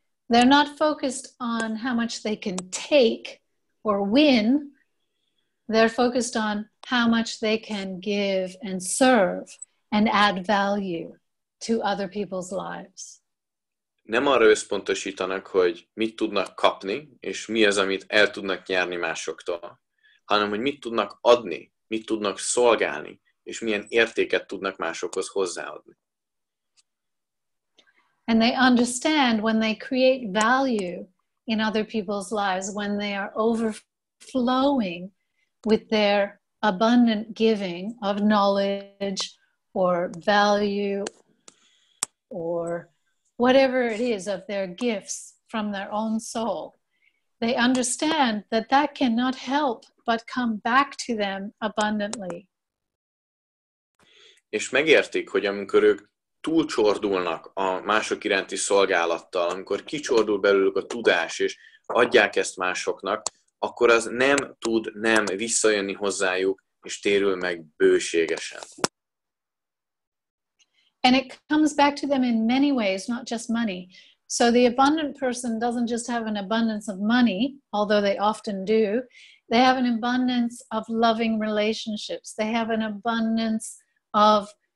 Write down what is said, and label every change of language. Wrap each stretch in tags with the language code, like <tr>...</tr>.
<en>They're not focused on how much they can take or win, they're focused on how much they can give and serve and add value to other people's lives.</en> <hu>Nem arra összpontosítanak, hogy mit tudnak kapni, és mi az, amit el tudnak nyerni másoktól, hanem, hogy mit tudnak adni, mit tudnak szolgálni, és milyen értéket tudnak másokhoz hozzáadni.</hu> <en>And they understand when they create value in other people's lives, when they are overflowing with their abundant giving of knowledge or value or whatever it is of their gifts from their own soul, they understand that that cannot help but come back to them abundantly.</en> <hu>És megértik, hogy amikor ők túlcsordulnak a mások iránti szolgálattal, amikor kicsordul belőlük a tudás, és adják ezt másoknak, akkor az nem tud nem visszajönni hozzájuk, és térül meg bőségesen.</hu> <en>And it comes back to them in many ways, not just money. So the abundant person doesn't just have an abundance of money, although they often do. They have an abundance of loving relationships. They have an abundance of</en>